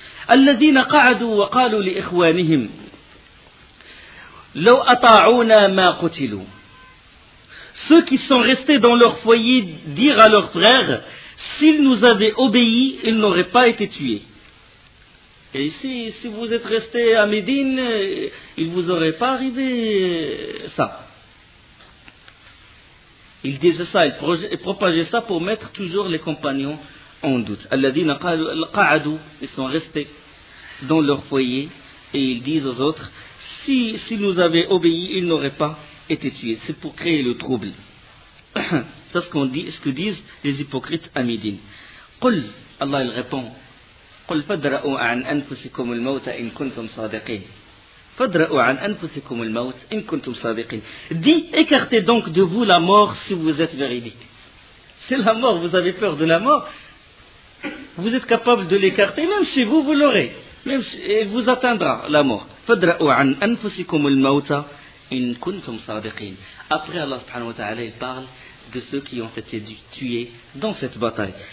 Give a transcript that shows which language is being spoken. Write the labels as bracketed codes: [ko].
[ar] الذين قعدوا وقالوا لإخوانهم لو أطاعونا ما قتلوا. [fr] Ceux qui sont restés dans leur foyer dire à leurs frères, s'ils nous avaient obéi, ils n'auraient pas été tués. Et si vous êtes resté à Médine, il ne vous aurait pas arrivé ça. Il disait ça, il propageait ça pour mettre toujours les compagnons en doute. Ils sont restés dans leur foyer et ils disent aux autres, si nous avions obéi, ils n'auraient pas été tués. C'est pour créer le trouble. C'est ce que disent les hypocrites à Médine. [ar] Qul, [fr] Allah il répond, [ar] قل فدرأوا عن أنفسكم الموت إن كنتم صادقين. فدرأوا عن أنفسكم الموت إن كنتم صادقين. [fr] Dis, écartez donc de vous la mort si vous êtes véridique. C'est la mort, vous avez peur de la mort. Vous êtes capable de l'écarter, même chez vous, vous l'aurez. Même chez, et vous atteindra la mort. [ar] فدرأوا عن أنفسكم الموت إن كنتم صادقين. [fr] Après Allah subhanahu wa ta'ala, il parle de ceux qui ont été tués dans cette bataille.